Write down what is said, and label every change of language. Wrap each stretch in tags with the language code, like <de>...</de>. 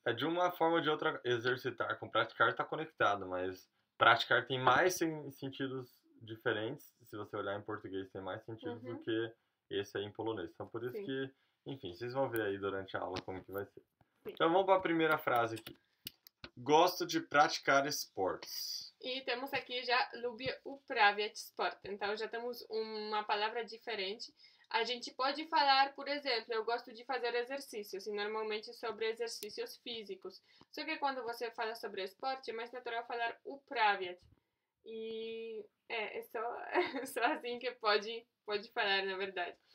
<pt>É de uma forma ou de outra, exercitar com praticar está conectado, mas praticar tem mais sentidos diferentes. Se você olhar em português, tem mais sentido do que esse aí em polonês. Então, por isso que, enfim, vocês vão ver aí durante a aula como que vai ser. Sim. Então, vamos para a primeira frase aqui. Gosto de praticar esportes. E temos aqui já,</pt> <pl>lubię uprawiać sport.</pl> <pt>Então, já temos uma palavra diferente. A gente pode falar, por exemplo, eu gosto de fazer exercícios, e normalmente sobre exercícios físicos. Só que quando você fala sobre esporte, é mais natural falar uprawiać. E é só assim que pode falar, na verdade.</pt>